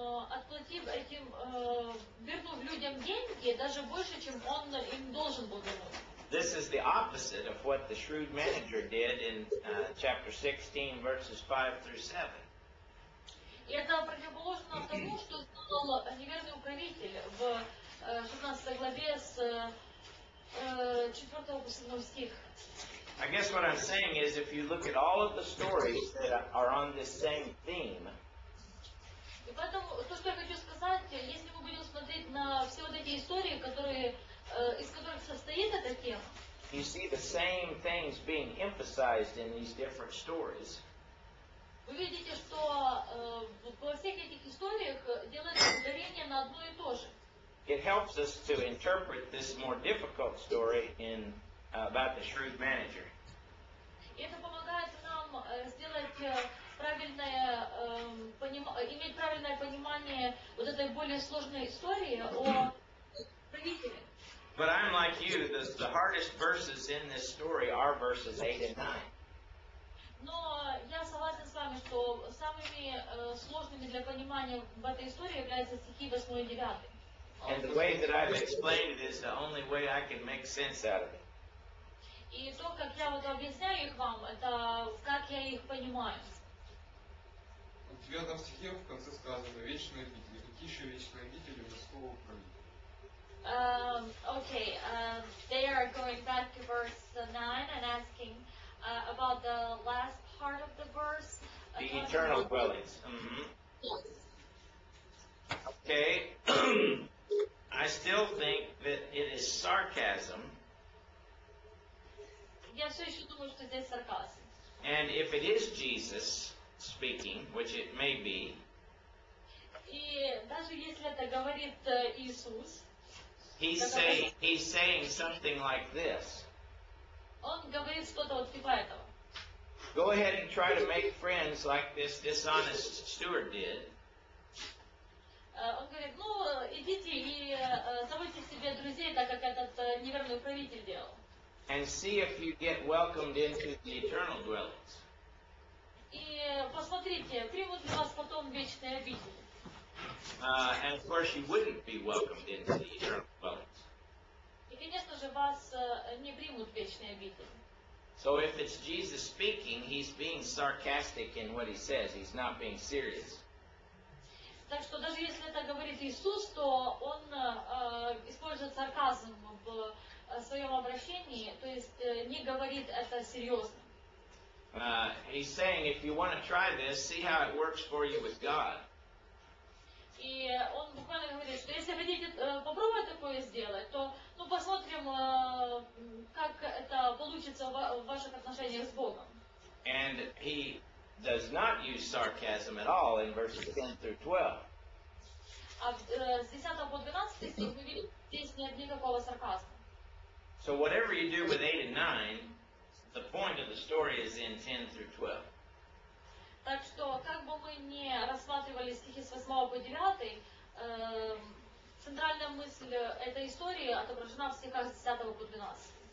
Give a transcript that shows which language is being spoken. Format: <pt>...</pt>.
<ru>Отплатив этим, вернув людям деньги, даже больше, чем он им должен был вернуть.</ru> <en>This is the opposite of what the shrewd manager did in chapter 16, verses 5 through</en> <ru>7. И это противоположно тому, что сделал неверный управитель в 16 главе с 4 по 7 стих.</ru> <en>I guess what I'm saying is, if you look at all of the stories that are on this same theme,</en> <ru>и поэтому, то, что я хочу сказать, если мы будем смотреть на все вот эти истории, которые, из которых состоит эта тема,</ru> <en>you see the same things being emphasized in these different stories.</en> <ru>Вы видите, что во всех этих историях делается ударение на одно и то же.</ru> <en>It helps us to interpret this more difficult story in, about the shrewd manager.</en> <ru>И это помогает нам сделать правильное иметь правильное понимание вот этой более сложной истории о правителе.</ru> <en>But I'm like you, the hardest verses in this story are verses 8 and 9.</en> <ru>Но я согласен с вами, что самыми сложными для понимания в этой истории являются стихи 8 и 9.</ru> <en>And the way that I've explained it is the only way I can make sense out of it.</en> <ru>И то, как я вот объясняю их вам, это как я их понимаю. В девятом стихе в конце сказано «Вечные обители». Какие еще вечные обители морского управления?</ru> <en>Okay, they are going back to verse 9 and asking about the last part of the verse. The eternal dwellings. Mm-hmm. Yes. Okay. I still think that it is sarcasm.</en> <ru>Я все еще думаю, что здесь сарказм.</ru> <en>And if it is Jesus speaking, which it may be,</en> <ru>и даже если это говорит Иисус,</ru> <en>he's saying something like this.</en> <ru>Он говорит что-то вот типа этого.</ru> <en>Go ahead and try to make friends like this dishonest steward did.</en> <ru>Он говорит, ну, идите и заводите себе друзей, так как этот неверный управитель делал.</ru> <en>And see if you get welcomed into the eternal dwellings.</en> <ru>И посмотрите, примут ли вас потом вечные обители.</ru> <en>And of course you wouldn't be welcomed into the eternal dwellings.</en> <ru>И, конечно же, вас не примут вечные обители.</ru> <en>So if it's Jesus speaking, he's being sarcastic in what he says. He's not being serious.</en> <ru>Так что даже если это говорит Иисус, то он использует сарказм в своем обращении, то есть не говорит это серьезно.</ru> <en>He's saying, if you want to try this, see how it works for you with God.</en> <ru>И он буквально говорит, что если хотите попробовать такое сделать, то ну, посмотрим, как это получится в ваших отношениях с Богом.</ru> <en>And he does not use sarcasm at all in verses 10 through 12.</en> <ru>А с 10 по 12 стих мы видим, здесь нет никакого сарказма.</ru> <en>So whatever you do with 8 and 9, the point of the story is in 10 through 12.</en> <ru>Так что, как бы мы ни рассматривали стихи с 8 по 9, центральная мысль этой истории отображена в стихах с 10 по 12.</ru>